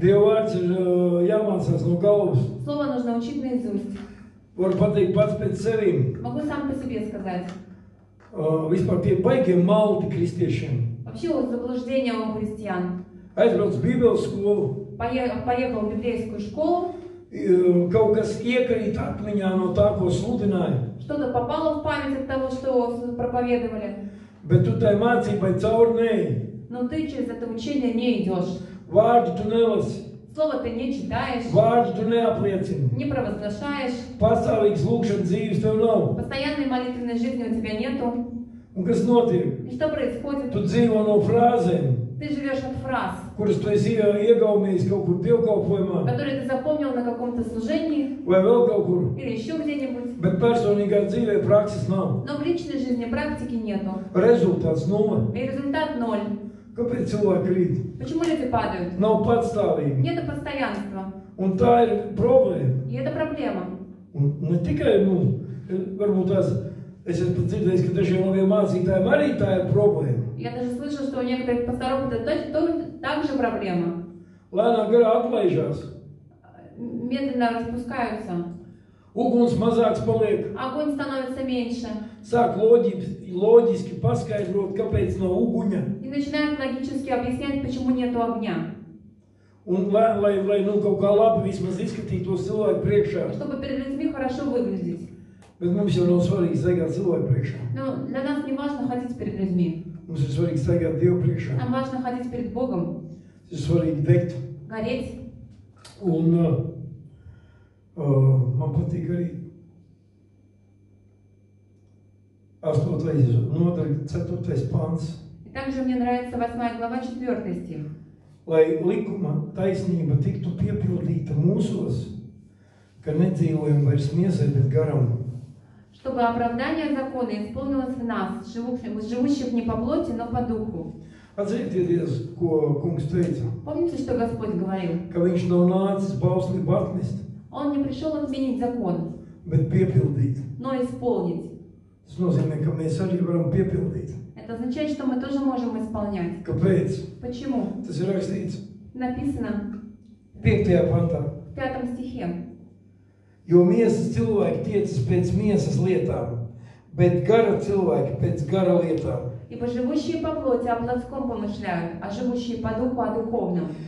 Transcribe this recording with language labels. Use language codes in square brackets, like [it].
[lv] Dievu vārds ir jāmācās no galvas. [ru] Слово нужно учить наизусть. [lv] Var pateikt pats pēc sevim. [ru] Могу сам по себе сказать. [lv] Vispār tie baigi ir malti kristiešiem. [ru] Вообще вот заблуждение у христиан. [lv] Aizbrauc Bībeles skolu. [ru] Поехал в библейскую школу. [lv] Kaut kas iekrīt atmiņā no tā, ko sludināja. [ru] Что-то попало в память от того, что проповедовали. [lv] Bet tu tai mācībai cauri neej. [ru] Но ты через это учение не идешь. [lv] Vārdu tu nelasi. [ru] Slova ты не читаешь. [lv] Vārdu tu neapliecini. [ru] Не провозглашаешь. [lv] Pastāvīgas lūkšanas dzīves tev nav. [ru] Постоянной молитвенной жизни у тебя нету. [lv] Un kas notiek? [ru] И что происходит? [lv] Tu dzīvo no frāzēm. [ru] Ты живешь от фраз. [lv] Kuras tu esi iegaumējis kaut kur dievkalpojumā. [ru] Которые ты запомнил на каком-то служении. [lv] Vai vēl kaut kur. [ru] Или еще где-нибудь. [lv] Bet personīgā dzīvē praksis nav. [ru] Но в личной жизни практики нету. Результат ноль. И результат ноль. [lv] Kāpēc cilvēki krīt? [ru] Почему люди падают? [lv] Nav patstāvība. [ru] Нету постоянства. [lv] Un tā ir problēma. [ru] И это проблема. [lv] Un ne tikai, nu, varbūt tās, es esmu dzirdējis, ka dažiem labiem mācītājiem arī tā ir problēma. [ru] Я даже слышал, что у некоторых пасторов это так же проблема. [lv] Lēnā garā atlaižās. [ru] Медленно распускаются. [lv] Uguns mazāks paliek. [ru] Огонь становится меньше. [lv] Sāk loģiski paskaidrot, kāpēc nav uguņa. [ru] И начинают логически объяснять, почему нету огня. [lv] Un lai nu kaut kā labi vismaz izskatītos cilvēku priekšā. [ru] Чтобы перед людьми хорошо выглядеть. [lv] Bet mums jau nav svarīgi staigāt cilvēku priekšā. [ru] Но для нас не важно ходить перед людьми. [lv] Mums ir svarīgi staigāt Dievu priekšā. [ru] Нам важно ходить перед Богом. [lv] Ir svarīgi degt. [ru] Гореть. [lv] Un man patīk arī 8. nodaļa 4. pants. [ru] И также мне нравится 8. глава 4. стих. [lv] Lai likuma taisnība tiktu piepildīta mūsos, ka nedzīvojam vairs miesai, bet garam. [ru] Чтобы оправдание закона исполнилось в нас, живущих не по плоти, но по духу. [lv] Atzīties, ko kungs teica. [ru] Помните, что Господь говорил? [lv] Ka viņš nav nācis bausli batnist. [ru] Он не пришел отменить закон. [lv] Bet piepildīt. [ru] Но исполнить. [lv] Tas nozīmē, ka mēs arī varam piepildīt. [ru] Это означает, что мы тоже можем исполнять. [lv] Kāpēc? [ru] Почему? [lv] Tas ir rakstīts. [ru] Написано. [lv] 5. pantā. [ru] 5. стихе. [lv] Jo miesas cilvēki tiecas pēc miesas lietām, bet gara cilvēki pēc gara lietām. [ru] Ибо живущие по плоти о плотском помышляют, а живущие по духу о духовном.